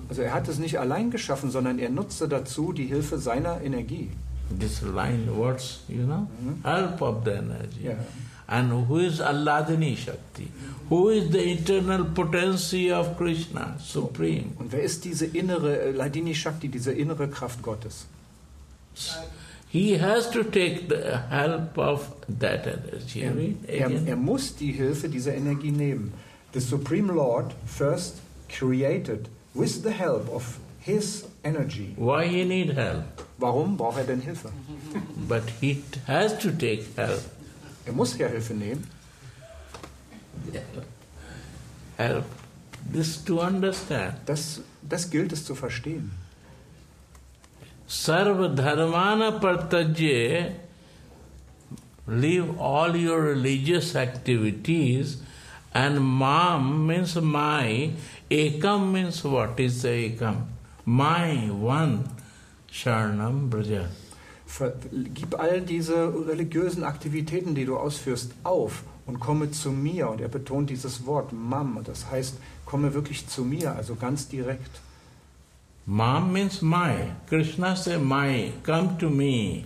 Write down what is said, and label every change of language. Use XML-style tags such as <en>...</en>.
<de>Also er hat es nicht allein geschaffen, sondern er nutzte dazu die Hilfe seiner Energie.</de> <en>This line words, you know, help of the energy. Yeah. And who is Alladini Shakti? Who is the eternal potency of Krishna, supreme?</en> <de>Und wer ist diese innere Ladini Shakti, diese innere Kraft Gottes?</de> <en>He has to take the help of that energy.</en> <de>Er muss die Hilfe dieser Energie nehmen.</de> <en>The Supreme Lord first created with the help of his energy. Why he need help?</en> <de>Warum braucht er denn Hilfe?</de> <en>But he has to take help.</en> <de>Er muss ja Hilfe nehmen.</de> <en>Help. This to understand.</en> <de>Das gilt es zu verstehen.</de> <sa>Sarva dharmana pratyaje,</sa> <en>leave all your religious activities, and mam means my, ekam means what is the ekam? My one,</en> <sa>sharanam braja.</sa> <de>Gib all diese religiösen Aktivitäten, die du ausführst, auf und komme zu mir. Und er betont dieses Wort mam, das heißt, komme wirklich zu mir, also ganz direkt.</de> <en>Mam means my. Krishna say my, come to me.</en>